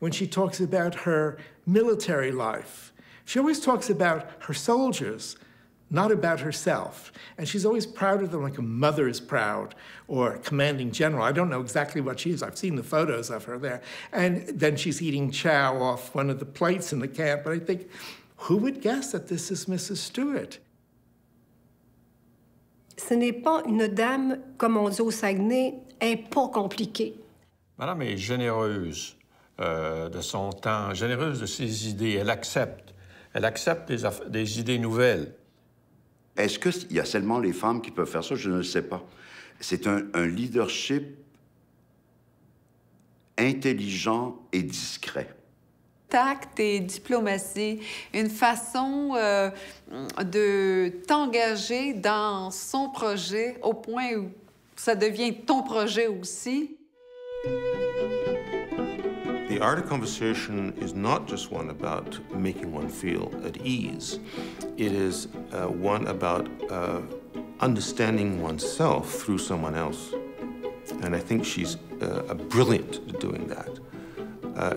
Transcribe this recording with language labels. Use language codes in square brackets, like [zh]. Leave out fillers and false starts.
[en] When she talks about her military life, she always talks about her soldiers, not about herself. And she's always proud of them like a mother is proud or a commanding general. I don't know exactly what she is. I've seen the photos of her there. And then she's eating chow off one of the plates in the camp. But I think, who would guess that this is Mrs. Stewart? [fr] Ce n'est pas une dame, comme on dit au Saguenay, est pas compliquée. Madame est généreuse de son temps, généreuse de ses idées. Elle accepte. Elle accepte des idées nouvelles. Est-ce qu'il y a seulement les femmes qui peuvent faire ça? Je ne le sais pas. C'est un leadership intelligent et discret. Tact et diplomatie, une façon de t'engager dans son projet au point où ça devient ton projet aussi. [en] The art of conversation is not just one about making one feel at ease. It is one about understanding oneself through someone else. And I think she's brilliant at doing that.